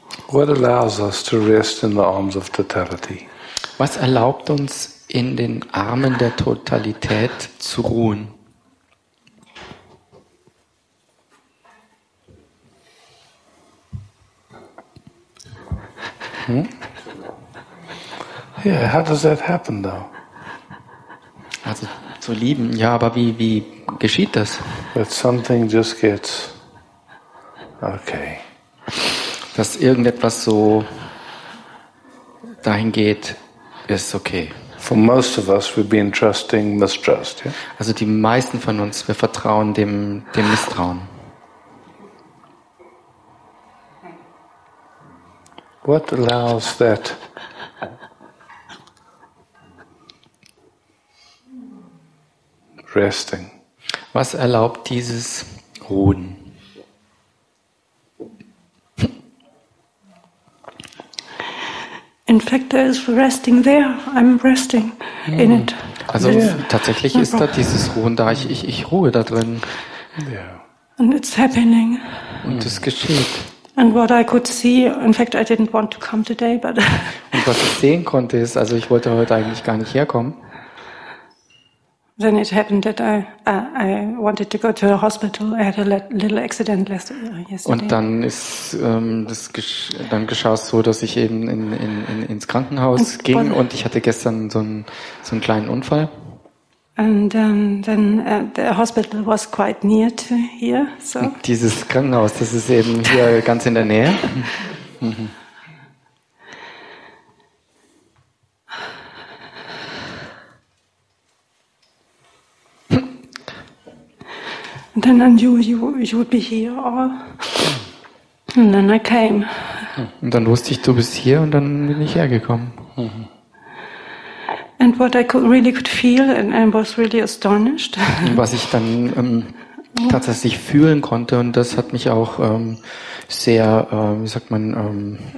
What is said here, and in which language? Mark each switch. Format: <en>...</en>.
<en>What allows us to rest in the arms of totality?</en> <de>Was erlaubt uns, in den Armen der Totalität zu ruhen?</de> <en>Hm? Yeah, how does that happen though?</en> <de>Also zu lieben, ja, aber wie geschieht das?</de> <en>That something just gets okay.</en> <de>Dass irgendetwas so dahin geht, ist okay.</de> <en>For most of us, we've been trusting mistrust. Yeah?</en> <de>Also die meisten von uns, wir vertrauen dem Misstrauen.</de> <en>What allows that? Resting.</en> <de>Was erlaubt dieses Ruhen?</de> <en>In fact, there is resting there. I'm resting in it.</en> <de>Also tatsächlich ist da dieses Ruhen da. Ich ruhe da drin.</de> <en>Yeah. And it's happening.</en> <de>Und es geschieht.</de> <en>And what I could see, in fact, I didn't want to come today, but.</en> <de>Und was ich sehen konnte ist, also ich wollte heute eigentlich gar nicht herkommen.</de> <en>Then it happened that I wanted to go to a hospital. I had a little accident yesterday.</en> <de>Und dann ist dann geschah es so, dass ich eben ins Krankenhaus ging und ich hatte gestern so einen kleinen Unfall.</de> <en>And then the hospital was quite near to here.</en> <de>So. Und dieses Krankenhaus, das ist eben hier ganz in der Nähe.</de> <en>And then I knew you would be here all. And then I came.</en> <de>Und dann wusste ich, du bist hier und dann bin ich hergekommen. Mhm.</de> <en>And what I could feel and I was really astonished.</en> <de>Was ich dann tatsächlich fühlen konnte und das hat mich auch sehr, wie sagt man,</de>